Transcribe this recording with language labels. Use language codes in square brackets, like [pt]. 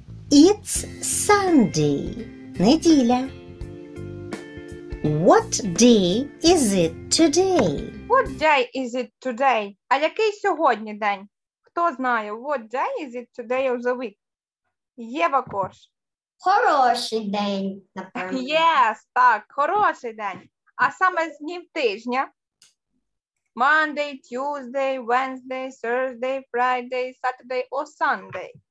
[en] It's Sunday. [uk] Неділя. [en] What day is it today? What day is it today? [uk] А який сьогодні день? Хто знає, [en] what day is it today of the week? [uk] Єва Корж. Хороший день, напевно. Yes, так, хороший день. А саме з днів тижня? [en] Monday, Tuesday, Wednesday, Thursday, Friday, Saturday or Sunday.